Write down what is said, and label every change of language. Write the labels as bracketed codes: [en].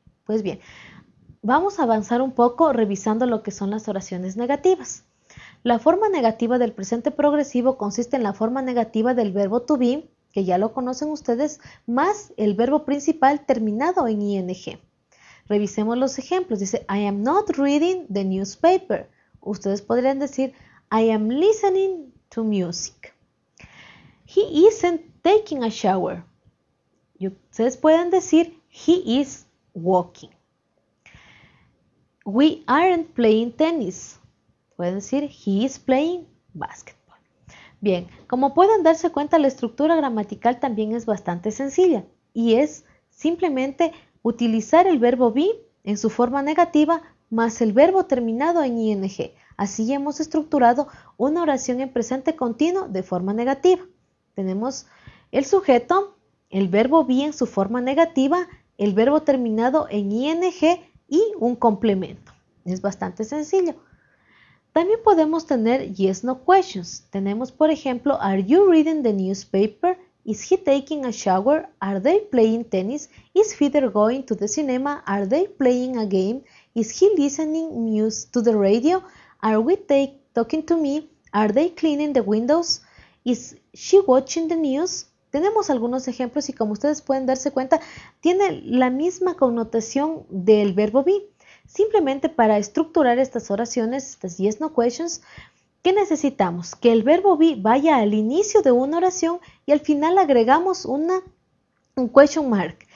[es] Pues bien, vamos a avanzar un poco revisando lo que son las oraciones negativas. La forma negativa del presente progresivo consiste en la forma negativa del verbo to be, que ya lo conocen ustedes, más el verbo principal terminado en ing. Revisemos los ejemplos. Dice, [en] I am not reading the newspaper. [es] Ustedes podrían decir, [en] I am listening to music. He isn't taking a shower. [es] Y ustedes pueden decir, [en] he is walking. We aren't playing tennis. [es] Pueden decir, [en] he is playing basketball. [es] Bien, como pueden darse cuenta, la estructura gramatical también es bastante sencilla y es simplemente utilizar el verbo be en su forma negativa más el verbo terminado en ing. Así hemos estructurado una oración en presente continuo de forma negativa. Tenemos el sujeto, el verbo be en su forma negativa, el verbo terminado en ing y un complemento. Es bastante sencillo. También podemos tener [en] yes no questions. [es] Tenemos, por ejemplo, [en] Are you reading the newspaper? Is he taking a shower? Are they playing tennis? Is Peter going to the cinema? Are they playing a game? Is he listening music to the radio? Are we talking to me? Are they cleaning the windows? Is she watching the news? [es] Tenemos algunos ejemplos y como ustedes pueden darse cuenta, tiene la misma connotación del verbo be. Simplemente para estructurar estas oraciones, estas [en] yes no questions, [es] ¿qué necesitamos? Que el verbo be vaya al inicio de una oración y al final agregamos un question mark.